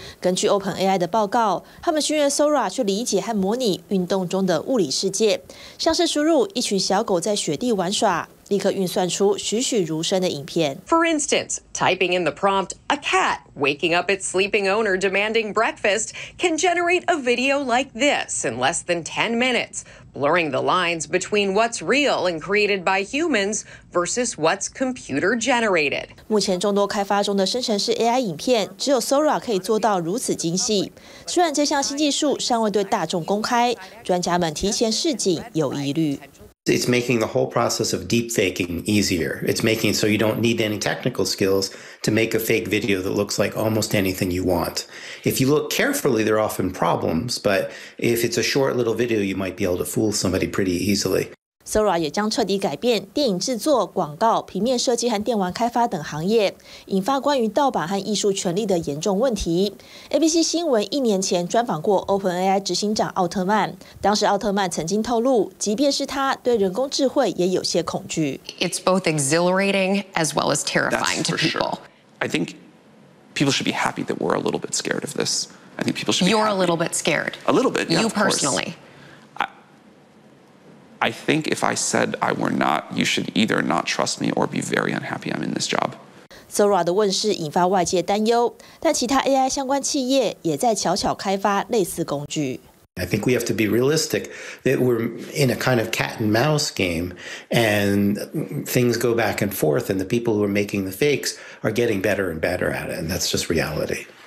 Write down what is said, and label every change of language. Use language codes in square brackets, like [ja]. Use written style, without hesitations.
[zh] 根据 OpenAI 的报告，他们训练 Sora 去理解和模拟运动中的物理世界，像是输入一群小狗在雪地玩耍，立刻运算出栩栩如生的影片。 [en] For instance, typing in the prompt, a cat waking up its sleeping owner demanding breakfast can generate a video like this in less than 10 minutes. Blurring the lines between what's real and created by humans versus what's computer generated. [zh] 目前众多开发中的生成式 AI 影片，只有 Sora 可以做到如此精细。虽然这项新技术尚未对大众公开，专家们提前示警有疑虑。 [en] It's making the whole process of deep faking easier. It's making it so you don't need any technical skills to make a fake video that looks like almost anything you want. If you look carefully, there are often problems, but if it's a short little video, you might be able to fool somebody pretty easily. [zh] Sora 也将彻底改变电影制作、广告、平面设计和电玩开发等行业，引发关于盗版和艺术权利的严重问题。 ABC 新闻一年前专访过 OpenAI 执行长奥特曼，当时奥特曼曾经透露，即便是他对人工智慧也有些恐惧。 [en] It's both exhilarating as well as terrifying to people. I think people should be happy that we're a little bit scared of this. I think people should be. You're a little bit scared. A little bit. You personally. I think if I said I were not, you should either not trust me or be very unhappy I'm in this job. [zh] Sora 的问世引发外界担忧，但其他 AI 相关企业也在悄悄开发类似工具。 [en] I think we have to be realistic that we're in a kind of cat and mouse game, and things go back and forth, and the people who are making the fakes are getting better and better at it, and that's just reality.